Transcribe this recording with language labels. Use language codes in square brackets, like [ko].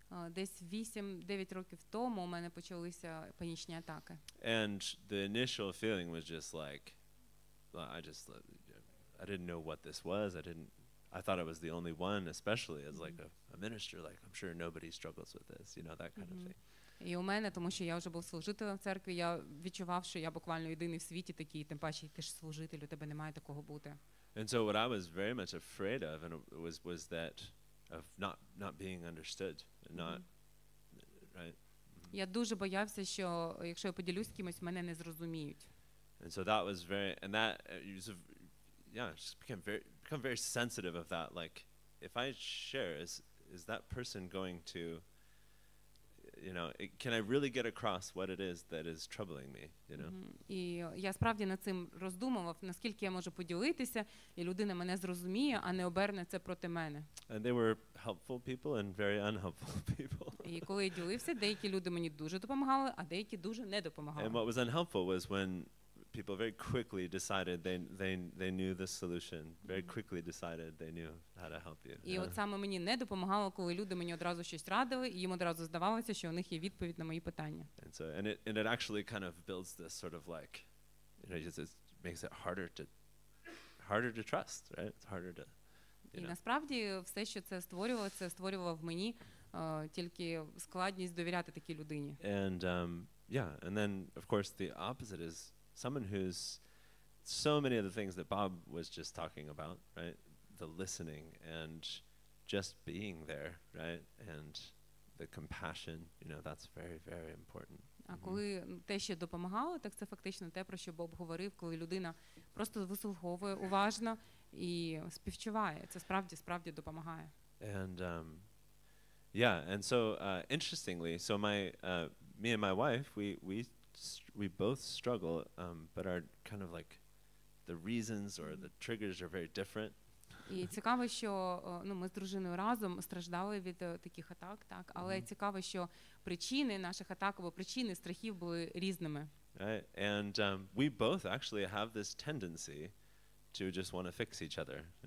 [uk] Десь 8-9 років тому у мене почалися панічні атаки. [en] And the initial feeling was just like I didn't know what this was. I thought I was the only one, especially as like a minister, like I'm sure nobody struggles with this, you know, that kind of thing. [uk] І у мене, тому що я вже був служителем в церкві, я відчував, що я буквально єдиний в світі такий, тим паче, ти ж служитель, у тебе немає такого бути. [en] And so what I was very much afraid of and was that of not being understood, not right? [uk] Я дуже боявся, що якщо я поділюсь кимось, мене не зрозуміють. [en] And so that was very, and that, just become very sensitive of that. Like, if I share, is that person going to, you know, can I really get across what it is that is troubling me, you know? [uk] І я справді над цим роздумував, наскільки я можу поділитися, і людина мене зрозуміє, а не оберне це проти мене. [en] And they were helpful people and very unhelpful people. [uk] І коли я ділився, деякі люди мені дуже допомагали, а деякі дуже не допомагали. [en] And what was unhelpful was when people very quickly decided they knew the solution. Very quickly decided they knew how to help you. [uk] І от саме мені не допомагало, коли люди мені одразу щось радили, і їм одразу здавалося, що у них є відповідь на мої питання. [en] And so, and it actually kind of builds this sort of like, you know, just makes it harder to trust, right? It's harder to. [uk] І насправді все, що це створювало, це створювало в мені тільки складність довіряти такій людині. [en] And and then of course the opposite is someone who's so many of the things that Bob was just talking about, right? The listening and just being there, right? And the compassion, you know, that's very, very important. [uk] А коли те, що допомагало, так це фактично те, про що Боб говорив, коли людина просто вислуховує уважно і співчуває. Це справді допомагає. [en] And interestingly, so me and my wife, we both struggle, but are kind of like the reasons or the triggers are very different. [uk] І цікаво, що ми з дружиною разом страждали від таких атак, так? Але цікаво, що причини наших атак або причини страхів були різними. [en] Right? And we both actually have this tendency to just want to fix each other.